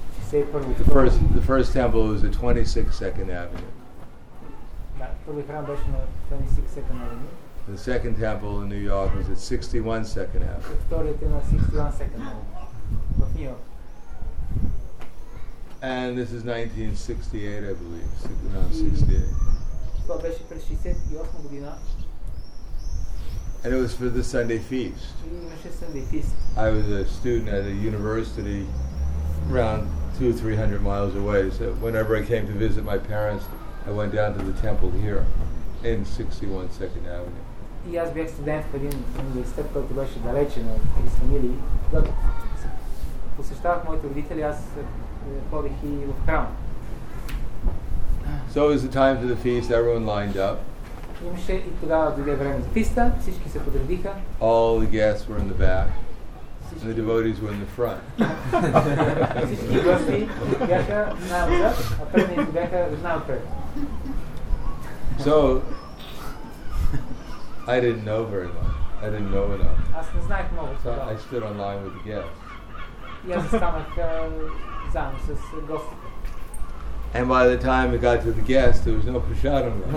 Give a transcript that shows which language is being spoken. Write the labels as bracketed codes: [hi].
[en] Second Avenue. The first temple was at 26 Second Avenue. [bg] Първият храм беше на 26 Second Avenue. [en] The second temple in New York was at 61 Second Avenue. [bg] Вторият е на 61 Second Avenue в Нью Йорк. [en] And this is 1968, I believe. 1968. [bg] Това беше през 68 година. [en] And it was for the Sunday feast. I was a student at a university around 200-300 miles away, so whenever I came to visit my parents, I went down to the temple here in 61 Second Avenue. [bg] И аз бях студент в един университет, който беше далече на 300 мили. Когато посещавах моите родители, аз ходих и в храм. [en] So it was the time for the feast, everyone lined up. [bg] Имаше и тогава дойде време за писта, всички се подредиха. [en] All the guests were in the back. And the devotees were in the front. [bg] Всички гости бяха най-отзад, а предните бяха най-отпред. [en] So I didn't know very much. I didn't know enough. [bg] Аз не знаех много. [en] So I stood in line with the guests. [bg] И аз останах заедно с гостите. [en] And by the time it got to the guest, there was no prasadam.